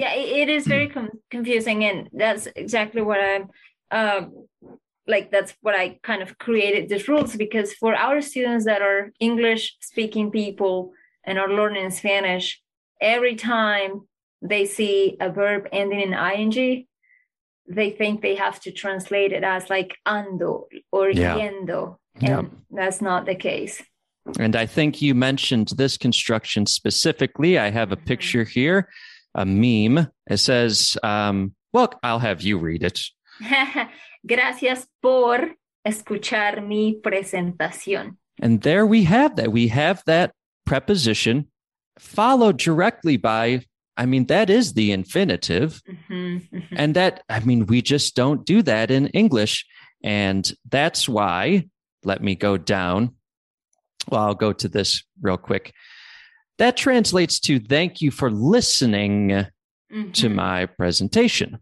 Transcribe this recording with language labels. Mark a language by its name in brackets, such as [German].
[English] yeah, it is very confusing, and that's exactly what I'm like, that's what I kind of created these rules, because for our students that are English speaking people and are learning Spanish, every time they see a verb ending in ing, they think they have to translate it as like ando or yendo. And that's not the case. And I think you mentioned this construction specifically. I have a picture here, a meme. It says, well, I'll have you read it. [Spanish] Gracias por escuchar mi presentación. [English] And there we have that. We have that preposition followed directly by, I mean, that is the infinitive. And that, I mean, we just don't do that in English. And that's why, let me go down. Well, I'll go to this real quick. That translates to thank you for listening to my presentation.